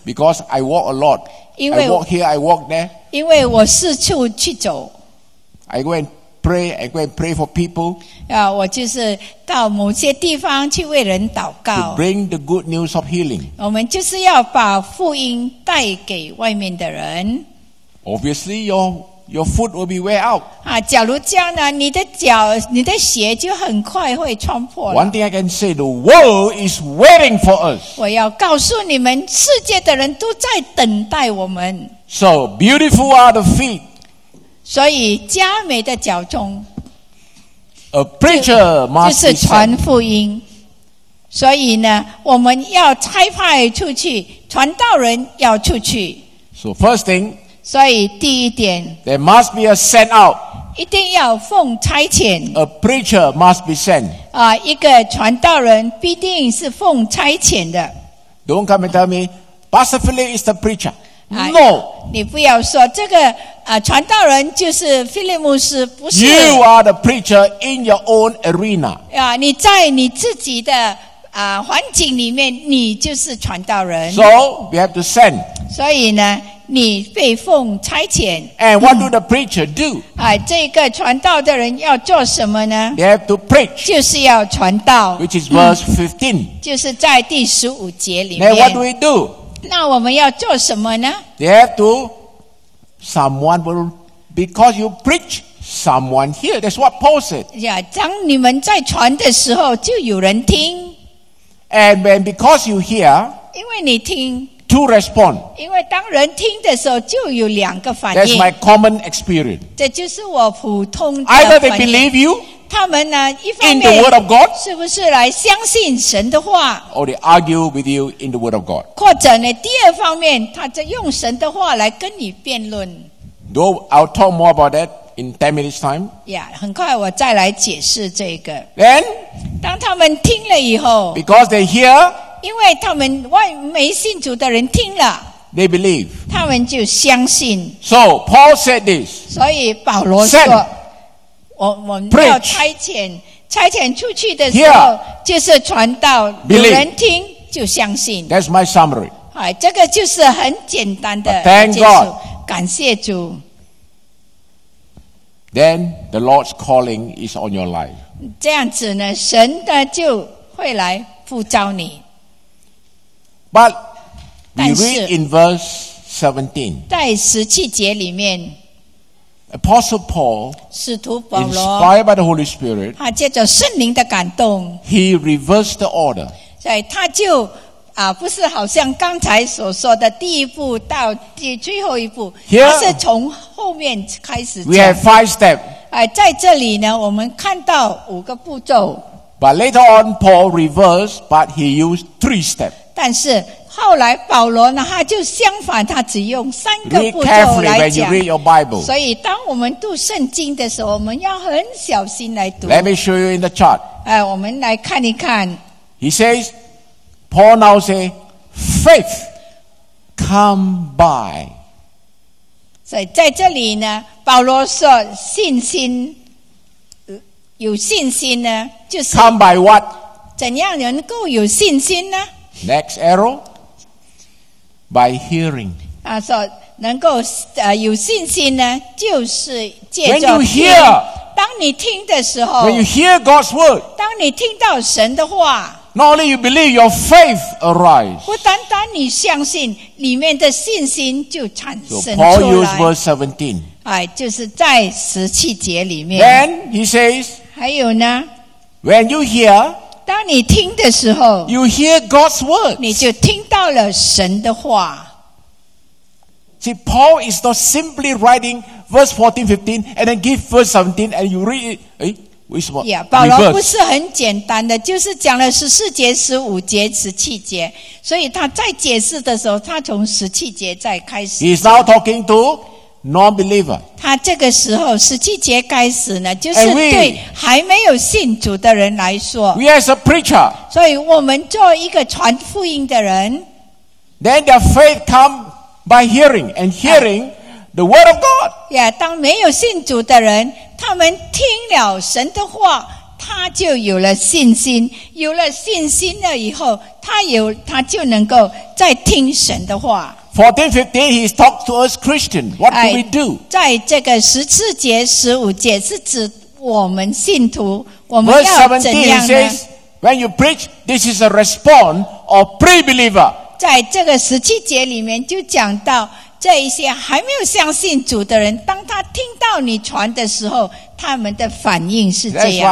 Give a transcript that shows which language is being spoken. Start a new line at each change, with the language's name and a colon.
English: Because I walk a lot, I walk here, I walk there.
Chinese: 因为我四处去走。
English: I go and pray for people.
Chinese: 我就是到某些地方去为人祷告。
English: To bring the good news of healing.
Chinese: 我们就是要把福音带给外面的人。
English: Obviously, your foot will be wear out.
Chinese: 假如这样呢，你的脚、你的鞋就很快会穿破了。
English: One thing I can say, the world is waiting for us.
Chinese: 我要告诉你们，世界的人都在等待我们。
English: So beautiful are the feet.
Chinese: 所以佳美的脚中
English: a preacher must
Chinese: 就是传福音。所以呢，我们要差派出去，传道人要出去。
English: So first thing.
Chinese: 所以第一点
English: There must be a send out.
Chinese: 一定要奉差遣。
English: A preacher must be sent.
Chinese: 一个传道人必定是奉差遣的。
English: Don't come and tell me, Pastor Philip is the preacher. No.
Chinese: 你不要说这个传道人就是菲利牧师，不是。
English: You are the preacher in your own arena.
Chinese: 你在你自己的环境里面，你就是传道人。
English: So, we have to send.
Chinese: 所以呢你被奉差遣。
English: And what do the preacher do?
Chinese: 这个传道的人要做什么呢？
English: They have to preach.
Chinese: 就是要传道。
English: Which is verse 15.
Chinese: 就是在第十五节里面。
English: Then what do we do?
Chinese: 那我们要做什么呢？
English: They have to, someone will, because you preach, someone hear. That's what Paul said.
Chinese: 当你们在传的时候就有人听。
English: And when, because you hear,
Chinese: 因为你听
English: To respond.
Chinese: 因为当人听的时候就有两个反应。
English: That's my common experience.
Chinese: 这就是我普通的反应。
English: Either they believe you,
Chinese: 他们呢一方面
English: in the word of God,
Chinese: 是不是来相信神的话
English: or they argue with you in the word of God.
Chinese: 或者呢第二方面他在用神的话来跟你辩论。
English: Though I'll talk more about that in 10 minutes time.
Chinese: 很快我再来解释这个。
English: Then,
Chinese: 当他们听了以后
English: because they hear,
Chinese: 因为他们外没信主的人听了
English: They believe.
Chinese: 他们就相信
English: So Paul said this.
Chinese: 所以保罗说
English: Send,
Chinese: 我们要差遣
English: preach,
Chinese: 差遣出去的时候
English: hear,
Chinese: 就是传道
English: believe,
Chinese: 有人听就相信
English: That's my summary.
Chinese: 这个就是很简单的
English: But Thank God.
Chinese: 感谢主
English: Then the Lord's calling is on your life.
Chinese: 这样子呢神的就会来呼召你
English: But we read in verse 17.
Chinese: 在十七节里面
English: Apostle Paul,
Chinese: 使徒保罗
English: inspired by the Holy Spirit,
Chinese: 他借着圣灵的感动
English: he reversed the order.
Chinese: 所以他就不是好像刚才所说的第一步到最后一步
English: Here,
Chinese: 他是从后面开始
English: We have five steps.
Chinese: 在这里呢我们看到五个步骤 b
English: But later on, Paul reversed, but he used three steps.
Chinese: 但是后来保罗呢，他就相反，他只用三个步骤来讲。
English: Read carefully when you read your Bible.
Chinese: 所以当我们读圣经的时候，我们要很小心来读。
English: Let me show you in the chart.
Chinese: 我们来看一看。
English: He says, Paul now says, faith come by.
Chinese: 所以在这里呢，保罗说信心，有信心呢，就是
English: come by what?
Chinese: 怎样能够有信心呢？
English: Next arrow, by hearing.
Chinese: 他说能够有信心呢，就是借
English: 着 When you hear,
Chinese: 当你听的时候
English: When you hear God's word,
Chinese: 当你听到神的话
English: Not only you believe, your faith arises.
Chinese: 不单单你相信，里面的信心就产生出来。
English: So Paul used verse 17.
Chinese: 哎，就是在十七节里面。
English: Then he says,
Chinese: 还有呢
English: ？When you hear,
Chinese: 当你听的时候
English: ，you hear God's words.
Chinese: 你就听到了神的话。
English: See, Paul is not simply writing verse 14, 15, and then give verse 17, and you read it.
Chinese: 哎，为什么？Yeah, 保罗不是很简单的，就是讲了十四节、十五节、十七节。所以他在解释的时候，他从十七节再开始。
English: He's now talking to non-believer.
Chinese: 他这个时候十七节开始呢，就是对还没有信主的人来说。
English: We as a preacher.
Chinese: 所以我们做一个传福音的人。
English: Then their faith come by hearing, and hearing the word of God.
Chinese: Yeah, 当没有信主的人，他们听了神的话。他就有了信心，有了信心了以后，他就能够再听神的话。
English: 14, 15, he talked to us Christian. What do we do?
Chinese: 在这个十四节、十五节是指我们信徒，我们要怎样呢
English: ？Verse 17 says, "When you preach, this is a response of pre-believer."
Chinese: 在这个十七节里面就讲到。这一些还没有相信主的人，当他听到你传的时候，他们的反应是这样。